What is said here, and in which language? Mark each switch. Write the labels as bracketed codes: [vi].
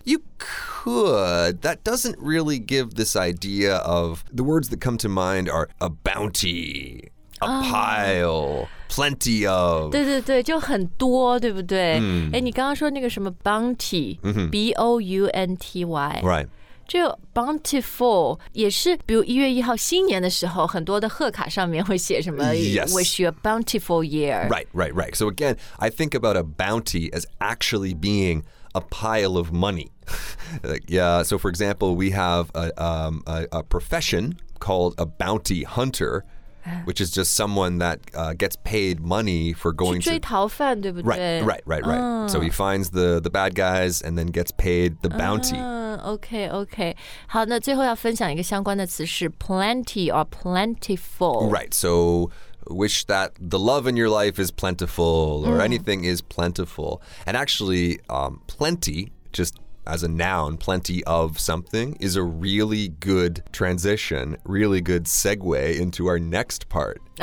[en] You could. That doesn't really give this idea of, the words that come to mind are a bounty. A pile, plenty of. [zh] 对对对，就很多，对不对？哎，你刚刚说那个什么 bounty, B-O-U-N-T-Y. [en] Right. [zh] 这个 bountiful 也是，比如1月1号新年的时候，很多的贺卡上面会写什么 [en] yes. Wish you a bountiful year. Right. So again, I think about a bounty as actually being a pile of money. Like, yeah. So, for example, we have a profession called a bounty hunter, which is just someone that gets paid money for going to [zh] 去追逃犯, 对不对? [en] Right. Oh. So he finds the bad guys and then gets paid the bounty. Okay. [zh] 好，那最后要分享一个相关的词是 [en] plenty or plentiful. Right. So wish that the love in your life is plentiful or anything is plentiful. And actually, plenty just as a noun, plenty of something, is a really good transition, really good segue into our next part.